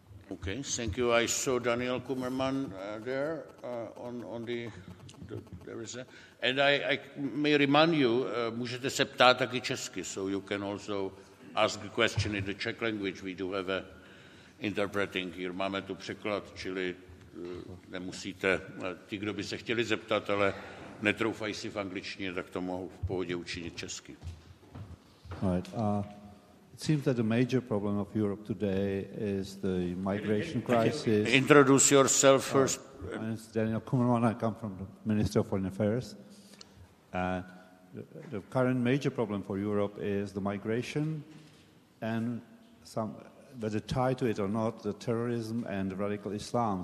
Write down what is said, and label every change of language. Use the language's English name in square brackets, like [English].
[English] Okay, thank you. I saw Daniel Kummermann there on the there is a, and I may remind you, [Czech] můžete se ptát taky česky, [English] so you can also ask a question in the Czech language. We do have a interpreting here. [Czech] Máme tu překlad, čili nemusíte, ti, kdo by se chtěli zeptat, ale netroufají si v angličtině, tak to mohou v pohodě učinit česky. [English] Right. It seems that the major problem of Europe today is the migration crisis. Introduce yourself first. My name is Daniel Kummermann. I come from the Ministry of Foreign Affairs. The current major problem for Europe is the migration and some, whether tied to it or not, the terrorism and the radical Islam.